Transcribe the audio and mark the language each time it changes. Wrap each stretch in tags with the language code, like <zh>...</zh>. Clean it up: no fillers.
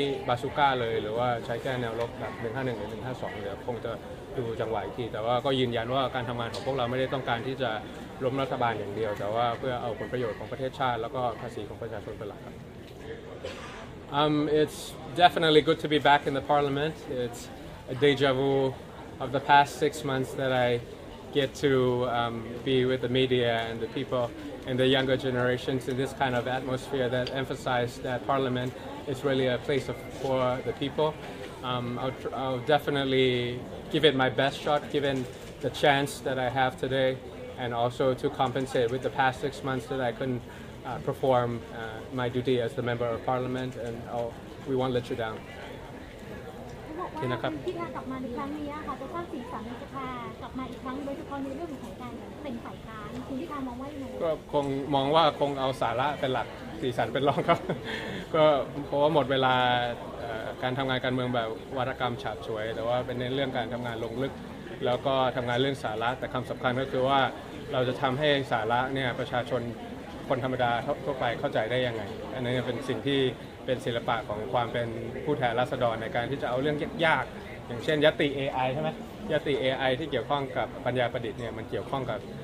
<th>บาซูก้าเลยหรือว่าใช้แก้แนวลบแบบ151หรือ152เดี๋ยวคงจะดูจังหวะอีกทีแต่ว่าก็ยืนยันว่าการทำงานของพวกเราไม่ได้ต้องการที่จะล้มรัฐบาลอย่างเดียวแต่ว่าเพื่อเอาผลประโยชน์ของประเทศชาติแล้วก็ภาษีของประชาชนเป็นหลักครับ</th> <en>It's definitely good to be back in the parliament. It's a deja vu of the past 6 months that I get to be with the media and the people and the younger generations in this kind of atmosphere that emphasize that parliament is really a place for the people. I'll definitely give it my best shot given the chance that I have today and also to compensate with the past 6 months that I couldn't perform my duty as the member of parliament and we won't let you down.</en> <th>ที่นะครับที่ทางกลับมาในครั้งนี้ค่ะจะสร้างสีสันในสภากลับมาอีกครั้งโดยเฉพาะในเรื่องของการเป็นฝ่ายค้านคุณพิธามองว่ายังไง ก็คงมองว่าคงเอาสาระเป็นหลักสีสันเป็นรองครับก็เพราะว่าหมดเวลาการทำงานการเมืองแบบวาทกรรมฉาบฉวยแต่ว่าเป็นเรื่องการทำงานลงลึกแล้วก็ทำงานเรื่องสาระแต่คำสำคัญก็คือว่าเราจะทำให้สาระเนี่ยประชาชนคนธรรมดาทั่วไปเข้าใจได้ยังไงอันนี้เป็นสิ่งที่เป็นศิลปะของความเป็นผู้แทนราษฎรในการที่จะเอาเรื่องยากๆอย่างเช่นยติ AI ใช่ไหมยติ AI ที่เกี่ยวข้องกับปัญญาประดิษฐ์เนี่ยมันเกี่ยวข้องกับ</th>